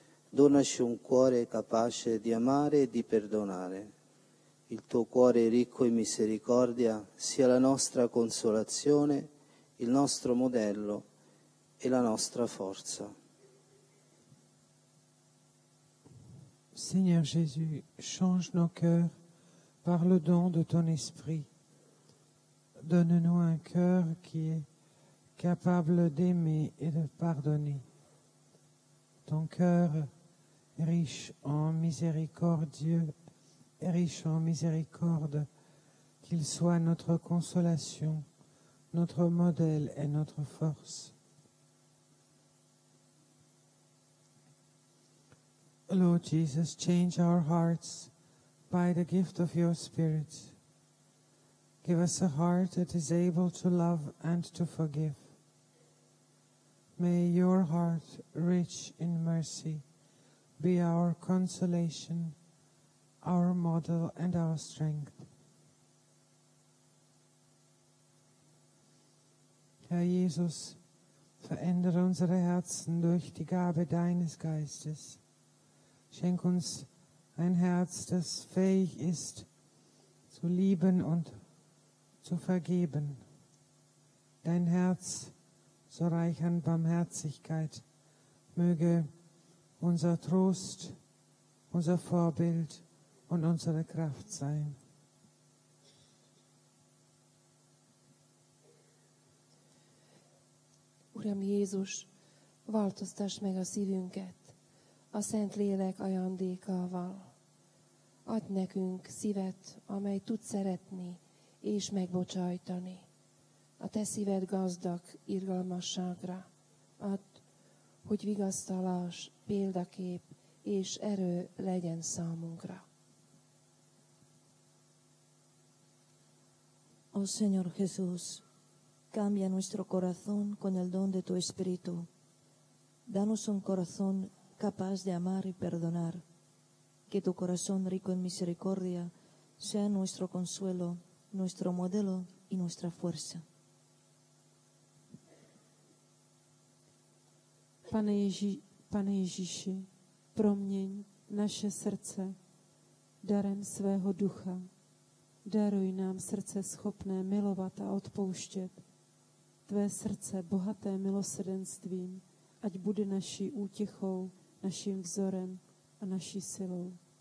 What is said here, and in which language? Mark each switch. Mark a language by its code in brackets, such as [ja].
[it] Donaci un cuore capace di amare e di perdonare. Il tuo cuore ricco in misericordia sia la nostra consolazione, il nostro modello e la nostra forza. [fr] Seigneur Jésus, change nos cœurs par le don de ton esprit. Donne-nous un cœur qui est capable d'aimer et de pardonner. Ton cœur riche en miséricorde, qu'il soit notre consolation, notre modèle et notre force. [en] Lord Jesus, change our hearts by the gift of your Spirit. Give us a heart that is able to love and to forgive. May your heart, rich in mercy, be our consolation, our model, and our strength. [de] Herr Jesus, verändere unsere Herzen durch die Gabe deines Geistes. Schenk uns ein Herz, das fähig ist, zu lieben und zu vergeben. Dein Herz, so reich an Barmherzigkeit, möge unser Trost, unser Vorbild und unsere Kraft sein. [hu] Uram Jézus, változtass meg a szívünket a Szent Lélek ajándékával. Add nekünk szívet, amely tud szeretni és megbocsájtani. A te szíved gazdag irgalmasságra. Add, hogy vigasztalás, példakép és erő legyen számunkra. [es] Ó, Señor Jesús, cambia nuestro corazón con el don de tu espíritu. Danos un corazón capaz de amar y perdonar. Que tu corazón rico en misericordia sea nuestro consuelo, nuestro modelo y nuestra fuerza. [cs] Pane Ježíši, proměň naše srdce darem svého ducha. Daruj nám srdce schopné milovat a odpouštět. Tvé srdce bohaté milosrdenstvím, ať bude naší útěchou, naším vzorem a naší silou.